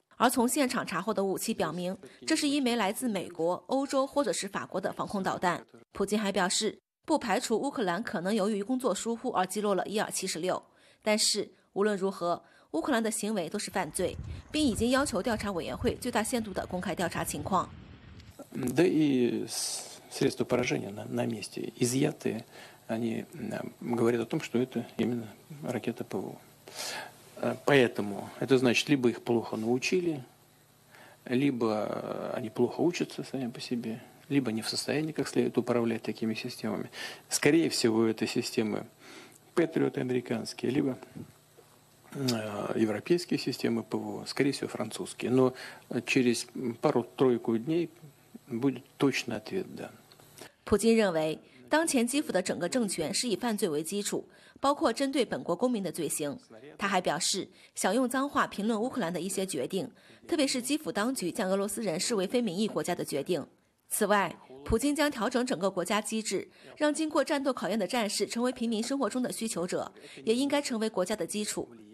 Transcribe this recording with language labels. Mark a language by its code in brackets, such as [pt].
[zh] 而从现场查获的武器表明，这是一枚来自美国、欧洲或者是法国的防空导弹。普京还表示，不排除乌克兰可能由于工作疏忽而击落了伊尔76，但是无论如何，乌克兰的行为都是犯罪，并已经要求调查委员会最大限度地公开调查情况。 They [ru] средства поражения на месте изъяты, они говорят о том, что это именно ракета ПВО. Поэтому это значит, либо их плохо научили, либо они плохо учатся сами по себе, либо не в состоянии как следует управлять такими системами. Скорее всего, это системы Патриоты американские, либо европейские системы ПВО, скорее всего, французские. Но через пару-тройку дней будет точно ответ дан. [zh] Путин 认为当前基辅的整个政权是以犯罪为基础，包括针对本国公民的罪行。他还表示，想用脏话评论乌克兰的一些决定，特别是基辅当局将俄罗斯人视为非民意国家的决定。此外，普京将调整整个国家机制，让经过战斗考验的战士成为平民生活中的需求者，也应该成为国家的基础。